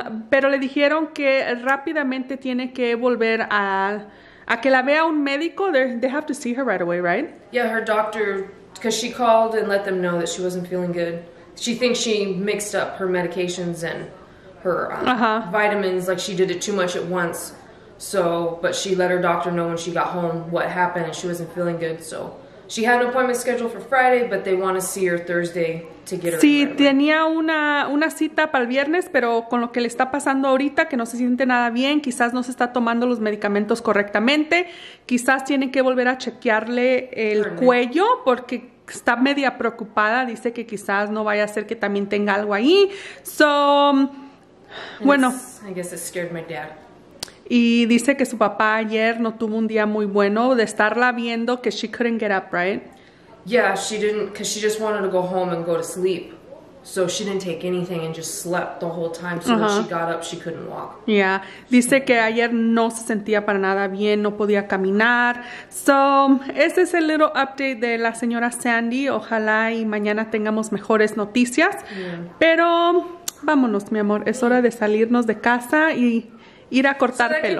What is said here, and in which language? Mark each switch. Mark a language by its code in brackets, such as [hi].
[es] Pero le dijeron que rápidamente tiene que volver a que la vea un médico. [en] They have to see her right away, right? Yeah, her doctor, because she called and let them know that she wasn't feeling good. She thinks she mixed up her medications and her vitamins, like she did it too much at once. So, but she let her doctor know when she got home what happened and she wasn't feeling good. So, she had an appointment scheduled for Friday, but they want to see her Thursday to get her. [es] Sí, tenía una cita para el viernes, pero con lo que le está pasando ahorita, que no se siente nada bien, quizás no se está tomando los medicamentos correctamente, quizás tiene que volver a chequearle el cuello porque está media preocupada, dice que quizás no vaya a ser que también tenga algo ahí. So, bueno. [en] I guess it scared my dad. [es] Y dice que su papá ayer no tuvo un día muy bueno de estarla viendo que [en] she couldn't get up, right? Yeah, she didn't, because she just wanted to go home and go to sleep. So she didn't take anything and just slept the whole time. So when she got up, she couldn't walk. [es] Yeah, dice que ayer no se sentía para nada bien, no podía caminar. So, este es el [en] little update [es] de la señora Sandy. Ojalá y mañana tengamos mejores noticias. Yeah. Pero vámonos, mi amor. Es hora de salirnos de casa y... ir a cortar pelo.